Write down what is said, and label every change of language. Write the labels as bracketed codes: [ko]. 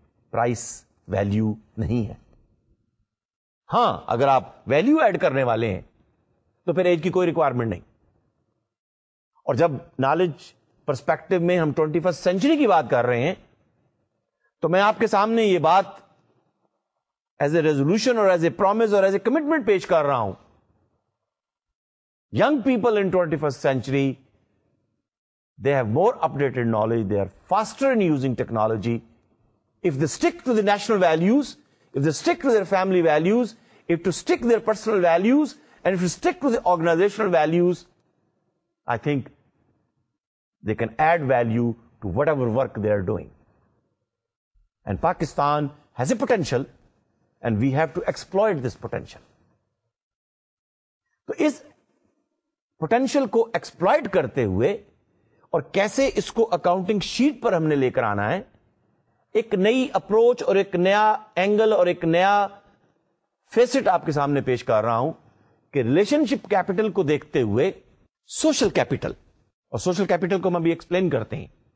[ur] Price value نہیں ہے. ہاں اگر آپ ویلیو ایڈ کرنے والے ہیں تو پھر ایج کی کوئی ریکوائرمنٹ نہیں. اور جب نالج پرسپیکٹو میں ہم 21st century کی بات کر رہے ہیں تو میں آپ کے سامنے یہ بات [en] as a resolution اور as a promise اور as a commitment [ur] پیش کر رہا ہوں. [en] Young people in 21st century, they have more updated knowledge, they are faster in using technology. If they stick to the national values, if they stick to their family values, if to stick their personal values, and if to stick to the organizational values, I think they can add value to whatever work they are doing. And Pakistan has a potential, and we have to exploit this potential. So [ur] is potential کو exploit کرتے ہوئے اور کیسے اس کو accounting sheet پر ہم نے لے کر آنا ہے, ایک نئی اپروچ اور ایک نیا اینگل اور ایک نیا فیسٹ آپ کے سامنے پیش کر رہا ہوں کہ ریلیشن شپ کیپیٹل کو دیکھتے ہوئے سوشل کیپیٹل, اور سوشل کیپیٹل کو ہم ابھی ایکسپلین کرتے ہیں.